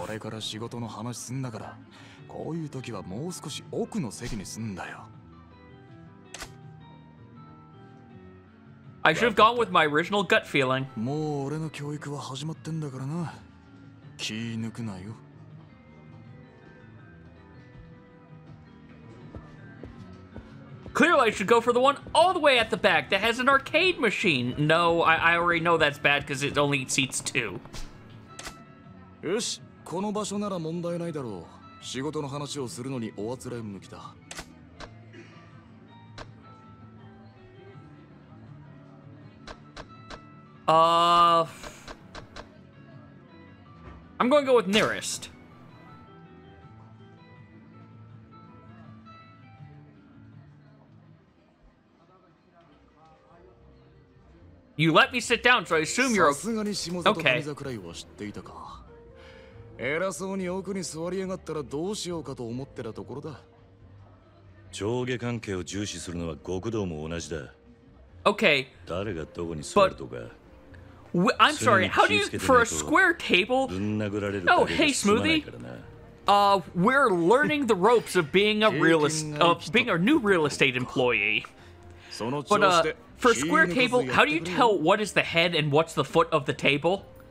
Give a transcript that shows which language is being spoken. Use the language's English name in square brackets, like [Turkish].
[Japanese] これから仕事の話すんだから、こういう時はもう少し奥の席にすんだよ。 [English] I should have gone with my original gut feeling. [Japanese] もう俺の教育は始まってんだからな。気抜くなよ。 [English] Clearly, I should go for the one all the way at the back that has an arcade machine. No, I already know that's bad because it only seats two. [Japanese] よし、この場所なら問題ないだろう。仕事の話をするのにおあつらえ向きだ。 [English] I'm going to go with nearest. You let me sit down, so I assume you're okay. [Japanese] さすがに下里神座くらいは知っていたか。偉そうに奥に座りやがったらどうしようかと思ってたところだ。上下関係を重視するのは極道も同じだ。 [English] Okay. [Japanese] 誰がどこに座るとか。 [English] I'm sorry, how do you, for a square table? Oh, hey, smoothie. We're learning the ropes of being a realist, of being a new real estate employee. But, for a square table, how do you tell what is the head and what's the foot of the table?